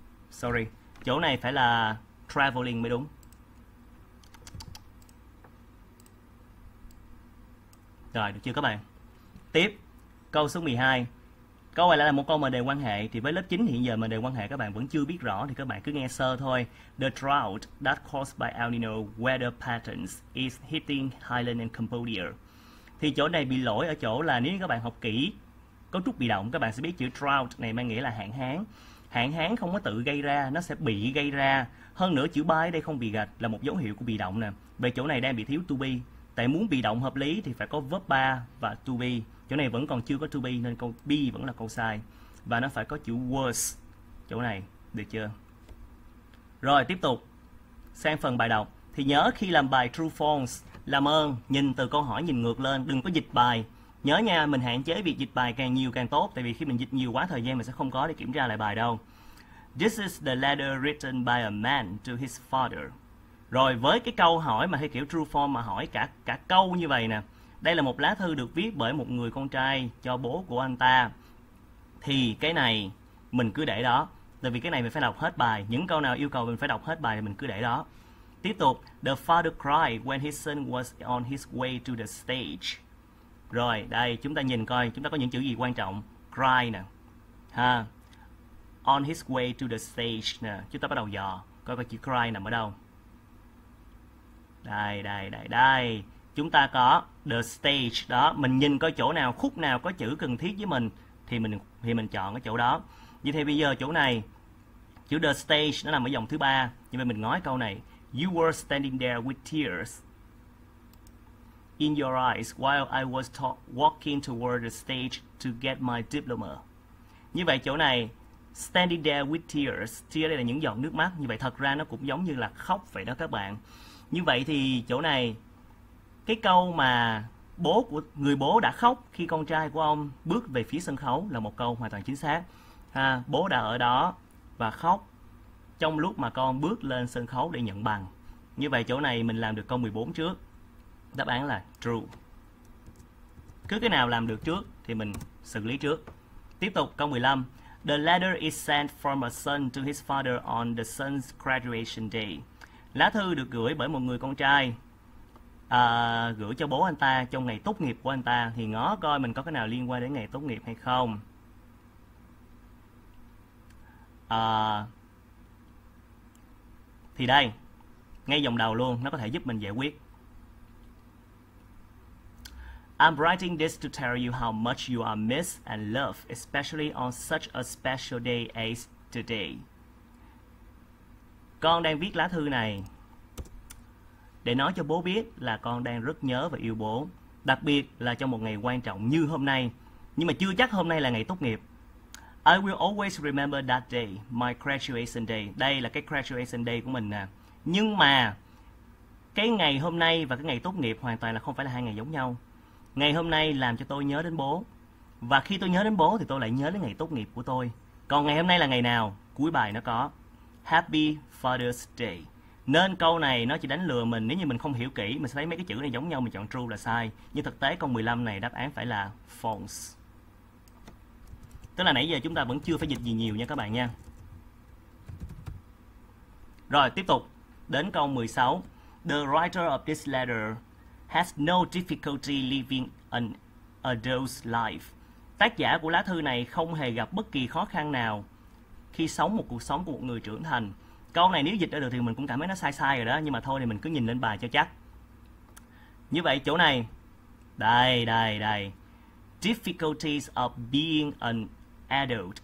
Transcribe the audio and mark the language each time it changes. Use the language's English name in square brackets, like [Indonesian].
[Vietnamese] Sorry, chỗ này phải là traveling mới đúng. Rồi, được chưa các bạn? Tiếp, câu số 12. Câu này lại là một câu mà đề quan hệ. Thì với lớp 9 hiện giờ mà đề quan hệ các bạn vẫn chưa biết rõ thì các bạn cứ nghe sơ thôi. [English] The drought that caused by El Nino weather patterns is hitting Thailand and Cambodia. [Vietnamese] Thì chỗ này bị lỗi ở chỗ là nếu như các bạn học kỹ cấu trúc bị động, các bạn sẽ biết chữ drought này mang nghĩa là hạn hán. Hạn hán không có tự gây ra, nó sẽ bị gây ra. Hơn nữa chữ by đây không bị gạch là một dấu hiệu của bị động nè. Về chỗ này đang bị thiếu to be. Tại muốn bị động hợp lý thì phải có verb be và to be. Chỗ này vẫn còn chưa có to be nên câu be vẫn là câu sai. Và nó phải có chữ worse chỗ này, được chưa? Rồi, tiếp tục sang phần bài đọc. Thì nhớ khi làm bài true false, làm ơn nhìn từ câu hỏi nhìn ngược lên, đừng có dịch bài. Nhớ nha, mình hạn chế việc dịch bài càng nhiều càng tốt. Tại vì khi mình dịch nhiều quá thời gian mình sẽ không có để kiểm tra lại bài đâu. [English] This is the letter written by a man to his father. [Vietnamese] Rồi với cái câu hỏi mà theo kiểu true form mà hỏi cả câu như vậy nè. Đây là một lá thư được viết bởi một người con trai cho bố của anh ta. Thì cái này mình cứ để đó. Tại vì cái này mình phải đọc hết bài. Những câu nào yêu cầu mình phải đọc hết bài thì mình cứ để đó. Tiếp tục. [English] The father cried when his son was on his way to the stage. [Vietnamese] Rồi đây chúng ta nhìn coi chúng ta có những chữ gì quan trọng. Cry nè. Ha. On his way to the stage nè. Chúng ta bắt đầu dò. Coi coi chữ cry nằm ở đâu. Đây, đây, đây, đây. Chúng ta có the stage đó. Mình nhìn coi chỗ nào, khúc nào có chữ cần thiết với mình thì mình chọn ở chỗ đó. Như thế bây giờ chỗ này, chữ the stage nó nằm ở dòng thứ 3. Nhưng mà mình nói câu này. [English] You were standing there with tears in your eyes while I was walking toward the stage to get my diploma. [Vietnamese] Như vậy chỗ này, standing there with tears, tears đây là những giọt nước mắt. Như vậy thật ra nó cũng giống như là khóc vậy đó các bạn. Như vậy thì chỗ này, cái câu mà bố của người bố đã khóc khi con trai của ông bước về phía sân khấu là một câu hoàn toàn chính xác. Ha, bố đã ở đó và khóc trong lúc mà con bước lên sân khấu để nhận bằng. Như vậy chỗ này mình làm được câu 14 trước. Đáp án là true. Cứ cái nào làm được trước thì mình xử lý trước. Tiếp tục câu 15. [English] The letter is sent from a son to his father on the son's graduation day. [Vietnamese] Lá thư được gửi bởi một người con trai gửi cho bố anh ta trong ngày tốt nghiệp của anh ta. Thì ngó coi mình có cái nào liên quan đến ngày tốt nghiệp hay không. Thì đây, ngay dòng đầu luôn, nó có thể giúp mình giải quyết. [English] I'm writing this to tell you how much you are missed and loved, especially on such a special day as today. [Vietnamese] Con đang viết lá thư này để nói cho bố biết là con đang rất nhớ và yêu bố, đặc biệt là trong một ngày quan trọng như hôm nay. Nhưng mà chưa chắc hôm nay là ngày tốt nghiệp. [English] I will always remember that day, my graduation day. [Vietnamese] Đây là cái graduation day của mình nè. Nhưng mà cái ngày hôm nay và cái ngày tốt nghiệp hoàn toàn là không phải là hai ngày giống nhau. Ngày hôm nay làm cho tôi nhớ đến bố. Và khi tôi nhớ đến bố thì tôi lại nhớ đến ngày tốt nghiệp của tôi. Còn ngày hôm nay là ngày nào? Cuối bài nó có Happy Father's Day. Nên câu này nó chỉ đánh lừa mình. Nếu như mình không hiểu kỹ, mình sẽ thấy mấy cái chữ này giống nhau, mình chọn true là sai. Nhưng thực tế câu 15 này đáp án phải là false. Tức là nãy giờ chúng ta vẫn chưa phải dịch gì nhiều nha các bạn nha. Rồi tiếp tục đến câu 16. [English] The writer of this letter has no difficulty living an adult life. [Vietnamese] Tác giả của lá thư này không hề gặp bất kỳ khó khăn nào khi sống một cuộc sống của một người trưởng thành. Câu này nếu dịch ra được thì mình cũng cảm thấy nó sai sai rồi đó. Nhưng mà thôi thì mình cứ nhìn lên bài cho chắc. Như vậy chỗ này, đây, đây, đây. Difficulties of being an adult.